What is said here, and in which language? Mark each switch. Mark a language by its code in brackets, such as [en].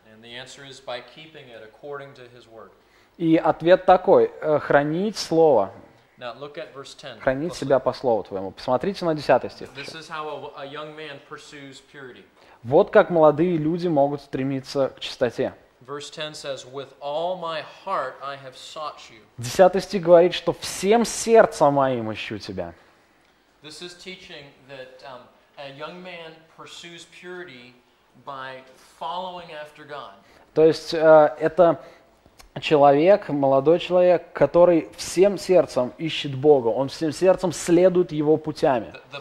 [en] And the answer is by keeping it according to his word. [ru] И ответ такой: хранить слово. [en] Now look at verse 10. [ru] Хранить [en] Let's [ru] себя [en] look. [ru] По слову твоему. Посмотрите на 10 стих. [en] This is how a young man pursues purity. [ru] Вот как молодые люди могут стремиться к чистоте. [en] Verse 10 says, "With all my heart I have sought you." [ru] 10 стих говорит, что всем сердцем моим ищу тебя. [en] This is teaching that a young man pursues purity by following after God. [ru] То есть это Человек, молодой человек, который всем сердцем ищет Бога, он всем сердцем следует Его путями.